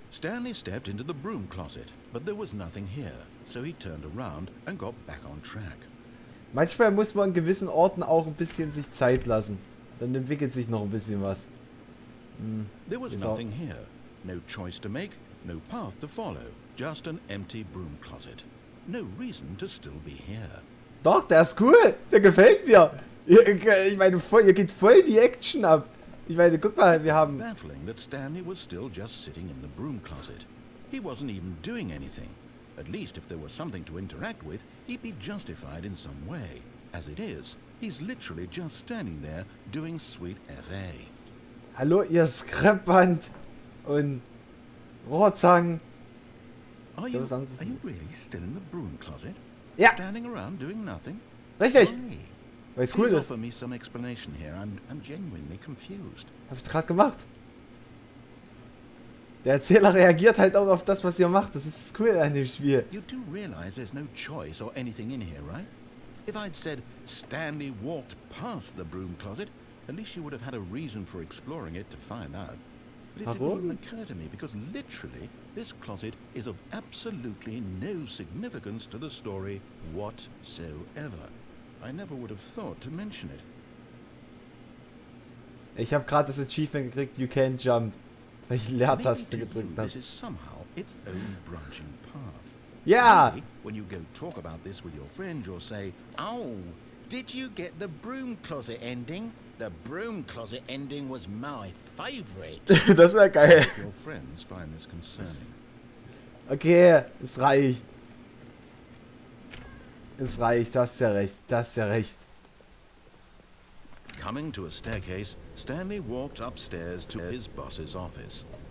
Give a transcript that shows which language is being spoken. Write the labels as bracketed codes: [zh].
[en] Stanley stepped into the broom closet, but there was nothing here, so he turned around and got back on track. [de] Manchmal muss man an gewissen Orten auch ein bisschen sich Zeit lassen. Dann entwickelt sich noch ein bisschen was. [en] There was nothing here. No choice to make, no path to follow. Just an empty broom closet. No reason to still be here. [de] Doch, der ist cool. Der gefällt mir. Ich meine, ihr geht voll die Action ab. Ich meine, guck mal, wir haben... [en] Baffling that Stanley was still just sitting in the broom closet. He wasn't even doing anything. At least if there was something to interact with, he'd be justified in some way. As it is, he's literally just standing there doing sweet F.A. [de] Hallo, ihr Skriptband und Rohrzang. [en] Are you really still in the broom closet? [de] Ja. [en] Standing around doing nothing? [de] Richtig. Weil es cool ist. [en] Offer me some explanation here. I'm genuinely confused. [de] Hab ich gerade gemacht. Der Erzähler reagiert halt auch auf das, was ihr macht. Das ist cool an dem Spiel. [en] You do realize there's no choice or anything in here, right? If I'd said Stanley walked past the broom closet, at least you would have had a reason for exploring it to find out. But it didn't even occur to me, because literally, this closet is of absolutely no significance to the story whatsoever. I never would have thought to mention it. [de] Ich habe gerade das Achievement gekriegt, [en] you can't jump. [de] Weil ich Leertaste gedrückt habe. [en] This is somehow its own branching path. Yeah. Maybe when you go talk about this with your friend, you'll say, "Oh, did you get the broom closet ending? The broom closet ending was my favorite." [de] Das wäre geil. [en] Your friends find this concerning. [de] Okay, es reicht. Es reicht, das ist ja recht, das ist ja recht. [en] Coming to a staircase, Stanley walked upstairs to his boss's office.